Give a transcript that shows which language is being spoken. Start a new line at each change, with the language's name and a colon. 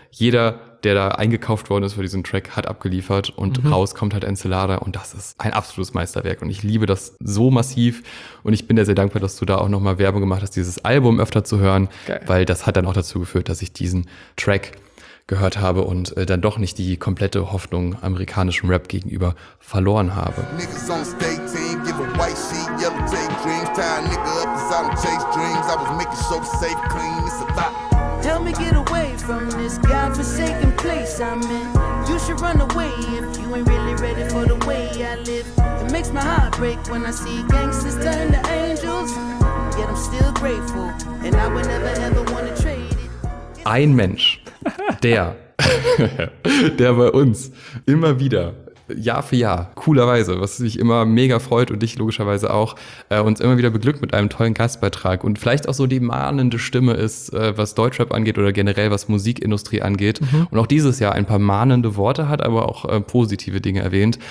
German: Jeder, der da eingekauft worden ist für diesen Track, hat abgeliefert und raus kommt halt Encelada und das ist ein absolutes Meisterwerk und ich liebe das so massiv und ich bin dir sehr dankbar, dass du da auch nochmal Werbung gemacht hast, dieses Album öfter zu hören, weil das hat dann auch dazu geführt, dass ich diesen Track gehört habe und dann doch nicht die komplette Hoffnung amerikanischem Rap gegenüber verloren habe.
English: Niggas on stay team, give a white sheet, yellow tape dreams, tie a nigga up inside and chase dreams, I was making so safe, clean, it's a thought. Tell me get away from this godforsaken place I'm in. You should run away if you ain't really ready for the way I live. It makes my heart break when I see gangsters turn to angels, yet I'm still grateful and I would never ever want to trade.
German: Ein Mensch, der bei uns immer wieder, Jahr für Jahr, coolerweise, was mich immer mega freut und dich logischerweise auch, uns immer wieder beglückt mit einem tollen Gastbeitrag und vielleicht auch so die mahnende Stimme ist, was Deutschrap angeht oder generell was Musikindustrie angeht und auch dieses Jahr ein paar mahnende Worte hat, aber auch positive Dinge erwähnt.